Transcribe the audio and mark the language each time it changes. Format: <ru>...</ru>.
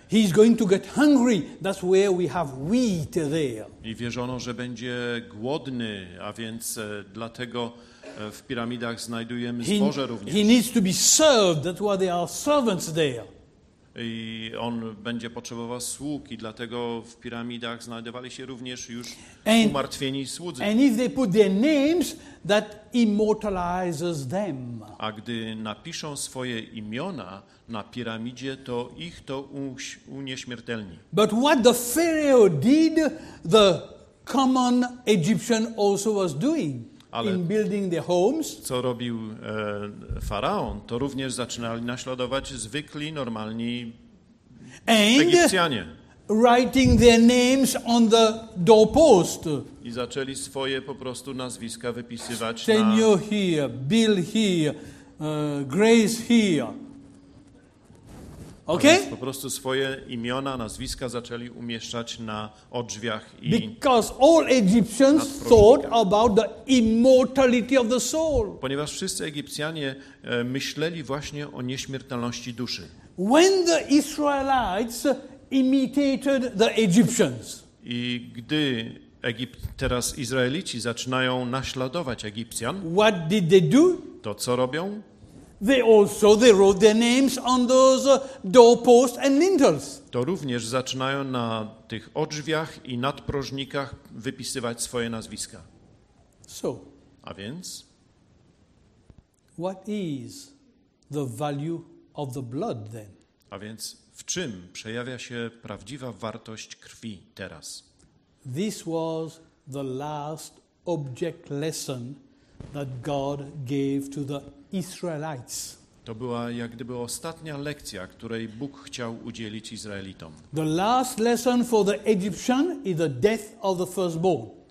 <en>He is going to get hungry. That's where we have wheat there.</en> <pl>I wierzono, że będzie głodny, a więc dlatego w piramidach znajdujemy zboże również.</pl> <en>He needs to be served. That's why there are servants there.</en> <pl>I on będzie potrzebował sług i dlatego w piramidach znajdowali się również już umartwieni słudzy.</pl> <en>And if they put their names, that immortalizes them.</en> <pl>A gdy napiszą swoje imiona na piramidzie, to ich to unieśmiertelni.</pl> <en>But what the pharaoh did, the common Egyptian also was doing.</en> <pl>Ale</pl> <en>in building their homes,</en> <pl>co robił faraon, to również zaczynali naśladować zwykli, normalni Egipcjanie.</pl> <en>Writing their names on the doorpost.</en> <pl>I zaczęli swoje po prostu nazwiska wypisywać</pl> <en>Stenio</en> <pl>na</pl> <en>here, Bill here, Grace here. Okay?</en> <pl>Po prostu swoje imiona, nazwiska zaczęli umieszczać na odrzwiach i</pl> <en>because all Egyptians thought about the immortality of the soul.</en> <pl>Ponieważ wszyscy Egipcjanie myśleli właśnie o nieśmiertelności duszy.</pl> <en>When the Israelites imitated the Egyptians.</en> <pl>I gdy teraz Izraelici zaczynają naśladować Egipcjan.</pl> <en>What did they do?</en> <pl>To co robią?</pl> <en>They wrote their names on those doorposts and lintels.</en> <pl>To również zaczynają na tych odrzwiach i nadprożnikach wypisywać swoje nazwiska.</pl> <en>So.</en> <pl>A więc?</pl> <en>What is the value of the blood then?</en> <pl>A więc w czym przejawia się prawdziwa wartość krwi teraz?</pl> <en>This was the last object lesson that God gave to the Israelites.</en> <pl>To była jak gdyby ostatnia lekcja, której Bóg chciał udzielić Izraelitom.</pl> <en>The last lesson for the Egyptian is the death of the firstborn.</en>